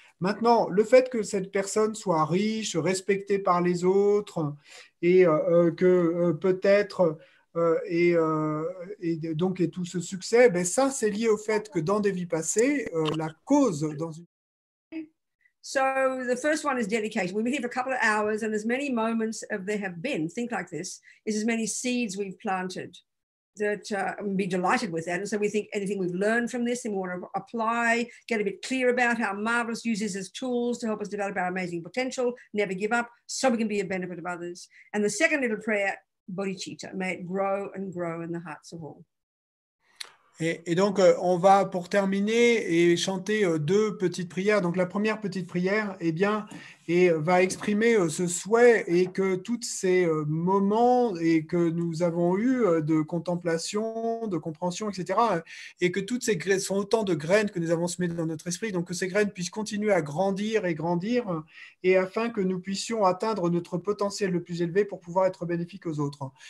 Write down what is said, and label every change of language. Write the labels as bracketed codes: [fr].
[fr] Maintenant, le fait que cette personne soit riche, respectée par les autres, et tout ce succès, ça, c'est lié au fait que dans des vies passées, la cause dans une... [en] So the first one is dedication. We've been here for a couple of hours, and as many moments as there have been, think like this, is as many seeds we've planted that be delighted with that. And so we think anything we've learned from this, and we want to apply, get a bit clear about how marvelous uses as tools to help us develop our amazing potential, never give up, so we can be a benefit of others. And the second little prayer, bodhicitta, may it grow and grow in the hearts of all. [fr] Et donc, on va pour terminer et chanter deux petites prières. Donc, la première petite prière, et va exprimer ce souhait et que tous ces moments et que nous avons eu de contemplation, de compréhension, etc., et que toutes ces graines sont autant de graines que nous avons semées dans notre esprit, donc que ces graines puissent continuer à grandir et grandir, et afin que nous puissions atteindre notre potentiel le plus élevé pour pouvoir être bénéfiques aux autres.